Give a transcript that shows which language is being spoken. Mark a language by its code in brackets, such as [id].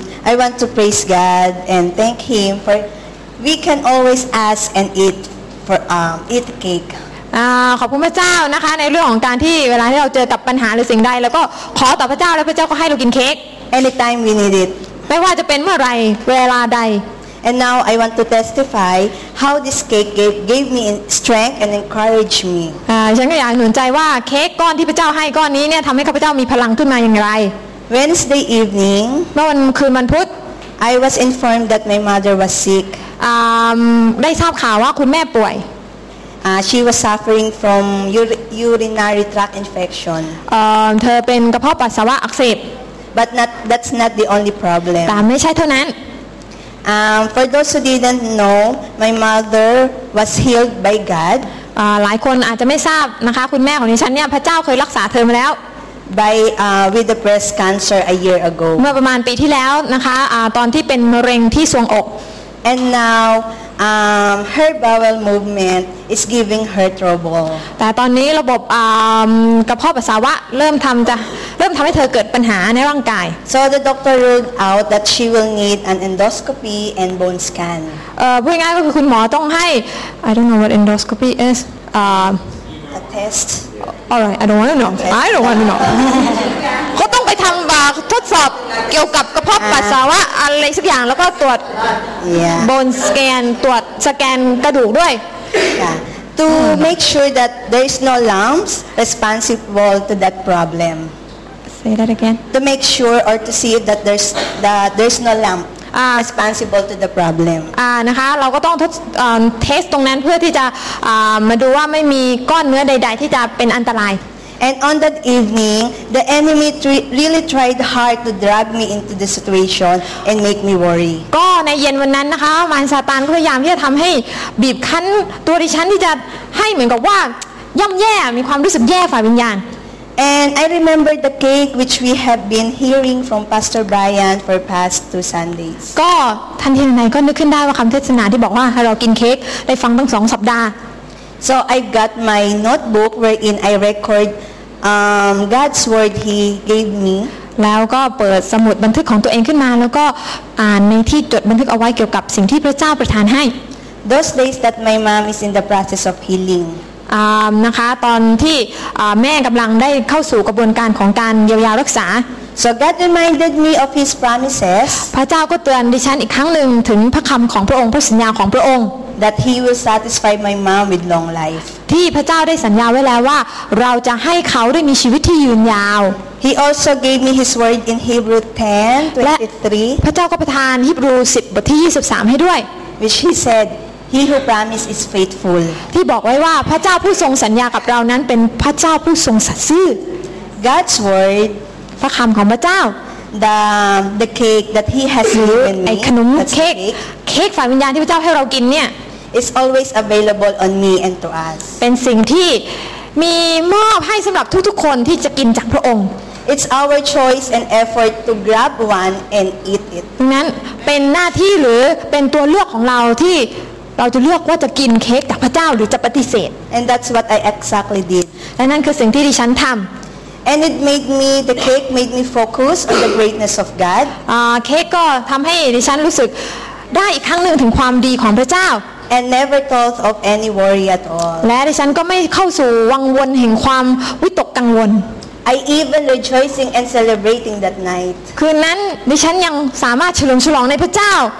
[en] I want to praise God and thank Him for we can always ask and eat for eat the cake. [th] ขอบคุณพระเจ้านะคะในเรื่องของการที่เวลาที่เราเจอกับปัญหาหรือสิ่งใดแล้วก็ขอต่อพระเจ้าแล้วพระเจ้าก็ให้เรากินเค้ก [en] Anytime we need it. [th] ไม่ว่าจะเป็นเมื่อไรเวลาใด [en] And now I want to testify how this cake gave me strength and encouraged me. [th] ฉันก็อยากหนุนใจว่าเค้กก้อนที่พระเจ้าให้ก้อนนี้เนี่ยทำให้ข้าพเจ้ามีพลังขึ้นมาอย่างไร [en] Wednesday evening. [th] เมื่อวันคืนวันพุธ [en] I was informed that my mother was sick. [th] ได้ทราบข่าวว่าคุณแม่ป่วย [en] She was suffering from urinary tract infection. [th] เธอเป็นกระเพาะปัสสาวะอักเสบ [en] But that's not the only problem. [th] แต่ไม่ใช่เท่านั้น [en] For those who didn't know, my mother was healed by God. [th] หลายคนอาจจะไม่ทราบนะคะคุณแม่ของดิฉันเนี่ยพระเจ้าเคยรักษาเธอมาแล้ว [en] by with the breast cancer a year ago. [th] เมื่อประมาณปีที่แล้วนะคะตอนที่เป็นมะเร็งที่ทรวงอก [en] And now her bowel movement is giving her trouble. [th] แต่ตอนนี้ระบบกระเพาะปัสสาวะเริ่มทำให้เธอเกิดปัญหาในร่างกาย [en] So the doctor ruled out that she will need an endoscopy and bone scan. [th] พูดง่ายก็คือคุณหมอต้องให้ [en] I don't know what endoscopy is. A test. All right, I don't want to know. I don't want to know. [th] เขาต้องไปทำบาทดสอบเกี่ยวกับกระเพาะปัสสาวะอะไรสักอย่างแล้วก็ตรวจ bone scan ตรวจสแกนกระดูกด้วย [en] to make sure that there is no lumps responsible to that problem. Say that again. To make sure or to see that there's no lump responsible to the problem. [th] นะคะเราก็ต้องทดตรงนั้นเพื่อที่จะมาดูว่าไม่มีก้อนเนื้อใดๆที่จะเป็นอันตราย [en] And on that evening, the enemy really tried hard to drag me into the situation and make me worry. [th] ก็ในเย็นวันนั้นนะคะมารซาตานก็พยายามที่จะทำให้บีบคั้นตัวดิฉันที่จะให้เหมือนกับว่าย่ำแย่มีความรู้สึกแย่ฝ่ายวิญญาณ [en] And I remember the cake which we have been hearing from Pastor Brian for past two Sundays. [th] ก็ทันทีในก็นึกขึ้นได้ว่าคำเทศนาที่บอกว่าเรากินเค้กได้ฟังตั้งสองสัปดาห์ [en] So I got my notebook wherein I record God's word He gave me. [th] แล้วก็เปิดสมุดบันทึกของตัวเองขึ้นมาแล้วก็อ่านในที่จดบันทึกเอาไว้เกี่ยวกับสิ่งที่พระเจ้าประทานให้ [en] Those days that my mom is in the process of healing. [th] นะคะตอนที่แม่กำลังได้เข้าสู่กระบวนการของการเยียวยารักษา [en] So God reminded me of His promises. [th] พระเจ้าก็เตือนดิฉันอีกครั้งนึงถึงพระคำของพระองค์พระสัญญาของพระองค์ [en] That He will satisfy my mom with long life. [th] ที่พระเจ้าได้สัญญาไว้แล้วว่าเราจะให้เขาได้มีชีวิตที่ยืนยาว [en] He also gave me His word in Hebrews 10:23. [th] พระเจ้าก็ประทานฮีบรู10บทที่23ให้ด้วย [en] Which He said, He who promised is faithful. [th] ที่บอกไว้ว่าพระเจ้าผู้ทรงสัญญากับเรานั้นเป็นพระเจ้าผู้ทรงสัตย์ซื่อ [en] God's word. [th] พระคำของพระเจ้า [en] The cake that He has given me. [th] ไอ้ขนมเค้กฝ่ายวิญญาณที่พระเจ้าให้เรากินเนี่ย [en] It's always available on me and to us. [th] เป็นสิ่งที่มีมอบให้สำหรับทุกๆคนที่จะกินจากพระองค์ [en] It's our choice and effort to grab one and eat it. [th] นั้นเป็นหน้าที่หรือเป็นตัวเลือกของเราที่เราจะเลือกว่าจะกินเค้กจากพระเจ้าหรือจะปฏิเสธ [en] And that's what I exactly did. [th] และนั่นคือสิ่งที่ดิฉันทำ [en] And it made me the cake made me focus on the greatness of God. [th] เค้กก็ทำให้ดิฉันรู้สึกได้อีกครั้งนึงถึงความดีของพระเจ้า [en] And never thought of any worry at all. [th] และดิฉันก็ไม่เข้าสู่วังวนแห่งความวิตกกังวล [en] I even rejoicing and celebrating that night. [th] คืนนั้นดิฉันยังสามารถเฉลิมฉลองในพระเจ้า